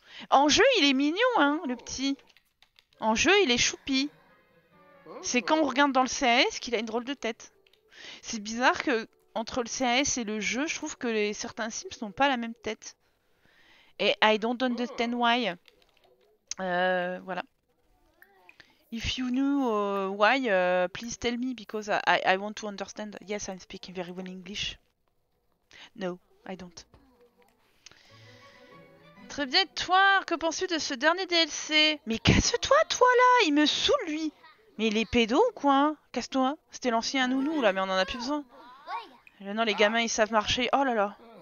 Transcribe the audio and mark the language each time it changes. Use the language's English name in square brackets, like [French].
[French] En jeu, il est mignon, hein, le petit. En jeu, il est choupi. C'est quand on regarde dans le CAS qu'il a une drôle de tête. C'est bizarre que entre le CAS et le jeu, je trouve que certains Sims n'ont pas la même tête. [English] Et I don't understand why. Voilà. If you knew why, please tell me, because I want to understand. Yes, I'm speaking very well English. No, I don't. [French] Très bien, toi, que penses-tu de ce dernier DLC? Mais casse-toi, toi, là! Il me saoule, lui! Mais il est pédo ou quoi, hein? Casse-toi! C'était l'ancien nounou, là, mais on en a plus besoin. Maintenant, les gamins, ils savent marcher. Oh là là!